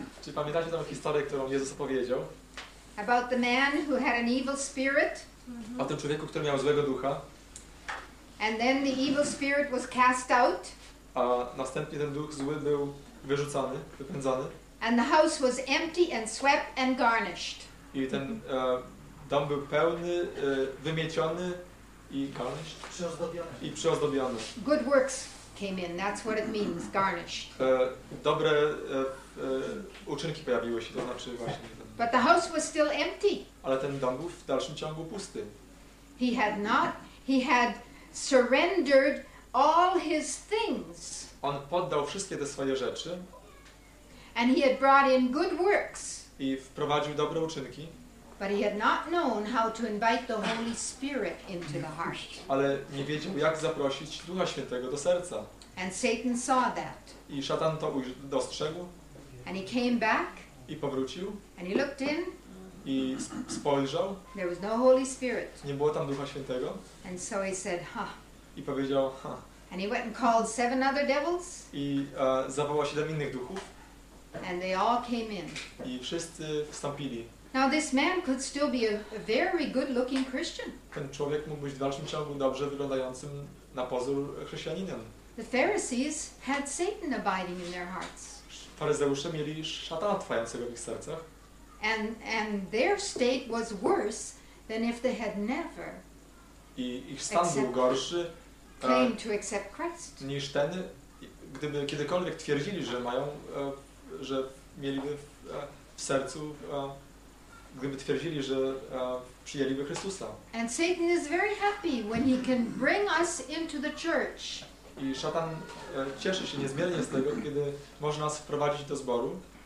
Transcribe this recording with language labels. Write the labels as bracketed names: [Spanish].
[Polish] Czy pamiętacie tą historię, którą Jezus opowiedział? [English] About the man who had an evil spirit. [Polish] O tym człowieku, który miał złego ducha. [English] And then the evil spirit was cast out. [Polish] A następnie ten duch zły był wyrzucany, wypędzany. [English] And the house was empty and swept and garnished. [Polish] I ten dom był pełny, wymieciony i garnished. Przyozdobiony. I przyozdobiony. [English] Good works came in. That's what it means, garnished. [Polish] Dobre uczynki pojawiły się, to znaczy właśnie. [English] But the house was still empty. [Polish] Ale ten dom był w dalszym ciągu pusty. [English] He had surrendered all his things. [Polish] On poddał wszystkie te swoje rzeczy. [English] And he had brought in good works. [Polish] I wprowadził dobre uczynki. [English] But he had not known how to invite the Holy Spirit into the heart. [Polish] Ale nie wiedział, jak zaprosić Ducha Świętego do serca. [English] And Satan saw that. [Polish] I szatan to dostrzegł. [English] And he came back. [Polish] I powrócił. [English] And he looked in. [Polish] I spojrzał. [English] There was no Holy Spirit. [Polish] Nie było tam Ducha Świętego. [English] And so he said, ha. [Polish] I powiedział, ha. [English] And he went and called seven other devils. [Polish] I zawołał siedem innych duchów. [English] And they all came in. [Polish] I wszyscy wstąpili. [English] Now this man could still be a very good-looking Christian. [Polish] Ten człowiek mógł być w dalszym ciągu dobrze wyglądającym na pozór chrześcijaninem. [English] The Pharisees had Satan abiding in their hearts. [Polish] Faryzeusze mieli szatana trwającego w ich sercach. [English] And their state was worse than if they had never. [Polish] I ich stan był gorszy. [English] Came to accept Christ. [Polish] Niż ten, gdyby kiedykolwiek twierdzili, że mają, że mieliby w sercu, gdyby twierdzili, że przyjęliby Chrystusa. [English] And Satan is very happy when he can bring us into the church. [Polish] I szatan cieszy się niezmiernie z tego, kiedy można nas wprowadzić do zboru.